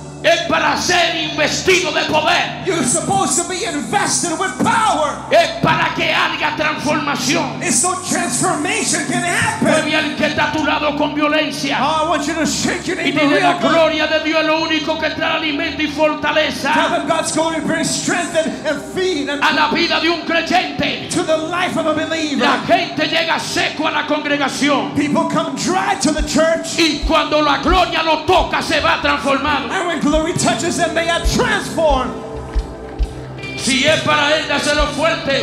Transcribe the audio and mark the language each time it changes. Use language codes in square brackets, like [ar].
[es] Es para ser investido de poder. [en] You're supposed to be invested with power. [es] Es para que haya transformación. [en] It's so transformation can happen. [es] Mueve al que está a tu lado con violencia. [en] Oh, I want you to shake your neighbor. [es] Y dile, la gloria de Dios es lo único que trae alimento y fortaleza. [en] Tell them God's glory brings strength and feed. And [es] a la vida de un creyente. [en] To the life of a believer. [es] La gente llega seco a la congregación. [en] People come dry to the church. [es] Y cuando la gloria lo toca, se va transformando. [en] When glory touches them, they are transformed. [es] Si es para él, dáselo fuerte.